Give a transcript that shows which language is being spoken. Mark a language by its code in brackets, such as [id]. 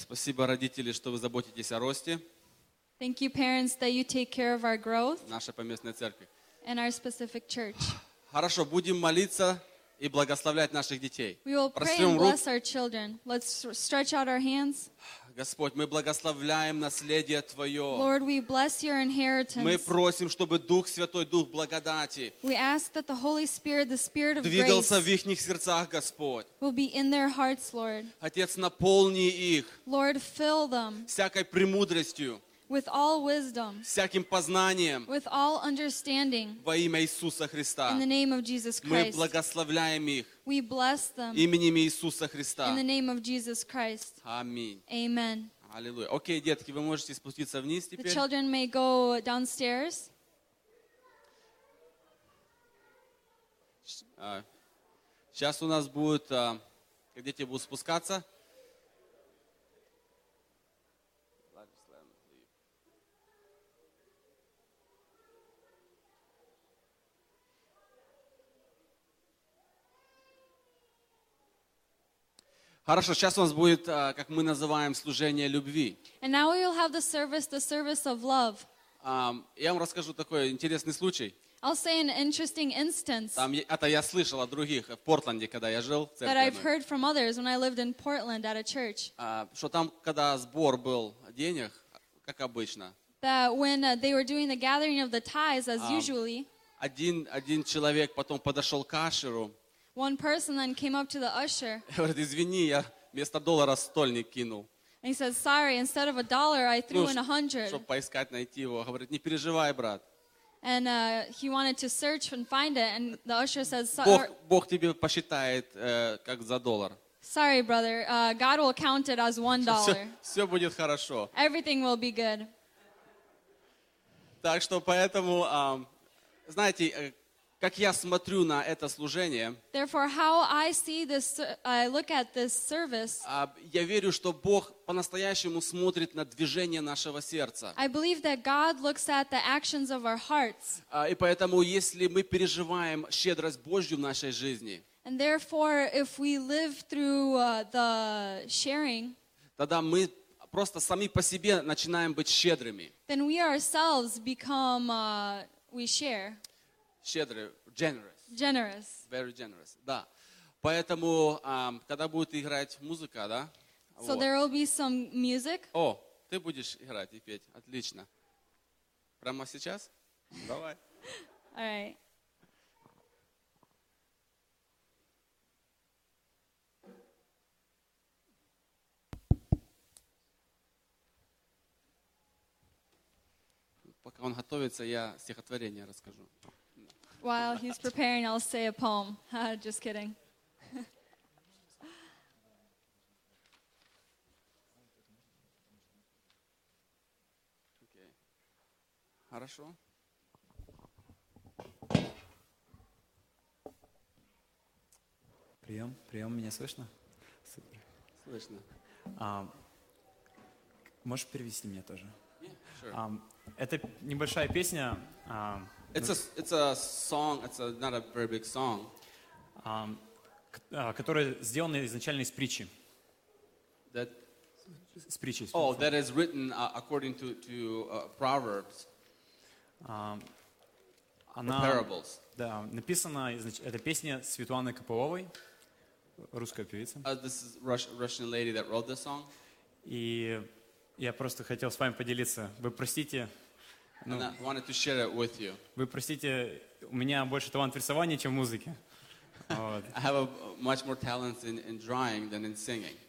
[ru] Спасибо, родители, что вы заботитесь о росте. [en] Thank you, parents, that you take care of our growth. [ru] Нашей поместной церкви. [en] And our specific church. [ru] Хорошо, будем молиться и благословлять наших детей. [en] We will pray and bless our children. Let's stretch out our hands. [ru] Господь, мы благословляем наследие Твое. [en] Lord, we bless your inheritance. [ru] Мы просим, чтобы Дух Святой, Дух благодати, [en] we ask that the Holy Spirit, the Spirit of [ru] двигался [en] grace [ru] в ихних сердцах, Господь, [en] will be in their hearts, Lord. [ru] Отец, наполни их, [en] Lord, fill them [ru] всякой премудростью, [en] with all wisdom, [ru] всяким познанием, [en] with all understanding, [ru] во имя Иисуса Христа, [en] in the name of Jesus Christ. [ru] Мы благословляем их, [en] we bless them, [ru] именем Иисуса Христа, [en] in the name of Jesus Christ. [ru] Аминь. [en] Amen. [ru] Аллилуйя. Окей, детки, вы можете спуститься вниз теперь. [en] The children may go downstairs. [ru] Сейчас у нас будет, дети будут спускаться. Хорошо, сейчас у нас будет, как мы называем, служение любви. [en] And now we will have the service of love. [ru] Я вам расскажу такой интересный случай. [en] I'll say an interesting instance. [ru] Там это я слышал от других в Портленде, когда я жил в церкви. [en] That I've heard from others when I lived in Portland at a church. [ru] Что там когда сбор был денег, как обычно. [en] That when they were doing the gathering of the tithes as usually. [ru] Один человек потом подошел к ашеру. [en] One person then came up to the usher. [ru] Говорит, извини, я вместо доллара стольник кинул. [en] And he says, sorry, instead of a dollar, I threw in a hundred. [ru] Чтобы поискать, найти его. Говорит, не переживай, брат. [en] And he wanted to search and find it, and the usher says, [ru] Бог тебе посчитает, как за доллар. [en] Sorry, brother, God will count it as $1. [ru] Все будет хорошо. [en] Everything will be good. [ru] Так что поэтому, знаете, как я смотрю на это служение, [en] therefore, how I see this, I look at this service, [ru] я верю, что Бог по-настоящему смотрит на движение нашего сердца. [en] I believe that God looks at the actions of our hearts. [ru] И поэтому, если мы переживаем щедрость Божью в нашей жизни, [en] and therefore, if we live through the sharing, [ru] тогда мы просто сами по себе начинаем быть щедрыми. [en] Then we ourselves become, we share. [ru] Щедрый, [en] generous. Generous. Very generous, [ru] да. Поэтому, когда будет играть музыка, да? [en] So [ru] вот. [en] There will be some music. [ru] О, ты будешь играть и петь, отлично. Прямо сейчас? Давай. [en] All right. [ru] Пока он готовится, я стихотворение расскажу. [en] While he's preparing, I'll say a poem. Just kidding. Okay. [ru] Хорошо. Прием, прием, меня слышно? Супер. Слышно. Можешь перевести меня тоже? [en] Yeah, sure. [ru] Это небольшая песня. [en] It's a song. It's not a very big song. [ru] Которая сделана изначально из притчи. [en] That. [ru] С притчи. [en] Oh, from. That is written according to Proverbs. [ru] Она. [en] Or parables. [ru] Да, написана эта песня Светланы Копыловой, русская певица. [en] This is Russian lady that wrote the song. [ru] И я просто хотел с вами поделиться. Вы простите. [en] And I wanted to share it with you. [ru] Вы простите, у меня больше талант в рисовании, чем в музыке. Вот. [en] I have much more talent in drawing than in singing.